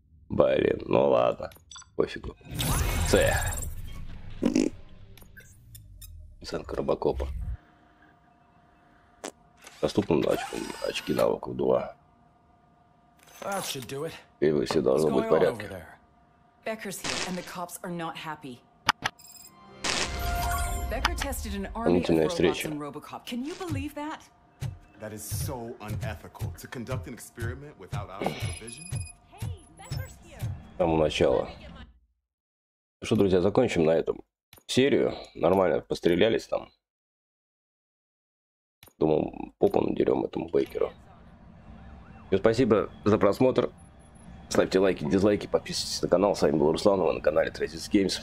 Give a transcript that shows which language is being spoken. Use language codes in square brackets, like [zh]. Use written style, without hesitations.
[ru] Блин, ну ладно. Пофигу. С. Оценка Робокопа. Доступно очки навыков 2. И вы все должны быть в порядке. [en] Becker's here, and the cops are not happy. Becker tested an army of robots in RoboCop. Can you believe that? That is so unethical to conduct an experiment without our supervision. Hey, Becker's here. [ru] Ну что, друзья, закончим на этом серию. Нормально пострелялись там. Думал, попу надерем этому Бейкеру. Спасибо за просмотр. Ставьте лайки, дизлайки, подписывайтесь на канал. С вами был Руслан, вы на канале Traces Games.